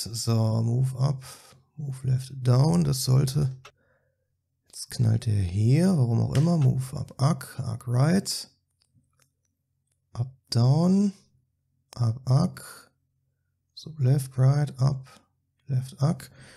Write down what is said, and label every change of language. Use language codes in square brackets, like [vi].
[en] So, move up, move left down. [de] Das sollte. Jetzt knallt er hier, warum auch immer. [en] Move up, arc, arc right. Up, down, up, up, so left, right, up, left, up.